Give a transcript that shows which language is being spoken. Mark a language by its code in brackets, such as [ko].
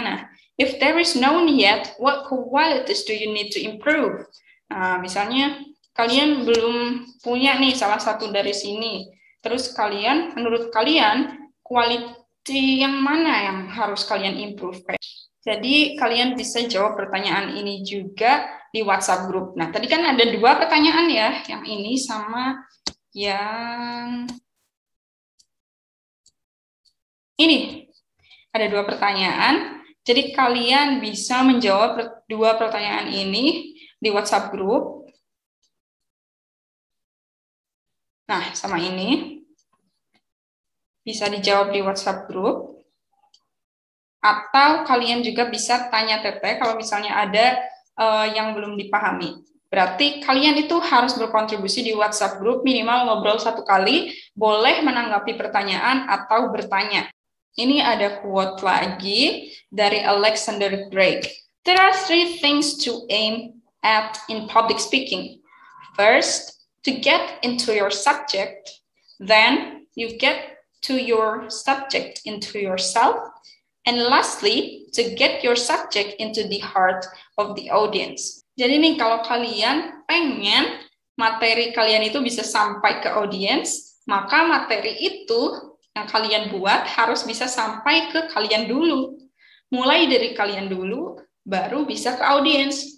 [en] Nah, if there is no one yet, what qualities do you need to improve? [id] Misalnya, kalian belum punya nih salah satu dari sini. Terus kalian, menurut kalian, quality yang mana yang harus kalian improve? Jadi, kalian bisa jawab pertanyaan ini juga di WhatsApp group. Nah, tadi kan ada 2 pertanyaan ya. Yang ini sama yang ini. Ada 2 pertanyaan. Jadi kalian bisa menjawab 2 pertanyaan ini di WhatsApp group. Nah, sama ini. bisa dijawab di WhatsApp group. Atau kalian juga bisa tanya Teteh kalau misalnya ada yang belum dipahami. Berarti kalian itu harus berkontribusi di WhatsApp group minimal ngobrol satu kali, boleh menanggapi pertanyaan atau bertanya. Ini ada quote lagi dari Alexander Greig. [en] There are three things to aim at in public speaking. First, to get into your subject. Then you get to your subject into yourself. And lastly, to get your subject into the heart of the audience. [id] Jadi nih, kalau kalian pengen materi kalian itu bisa sampai ke audience, maka materi itu yang kalian buat harus bisa sampai ke kalian dulu. Mulai dari kalian dulu, baru bisa ke audience.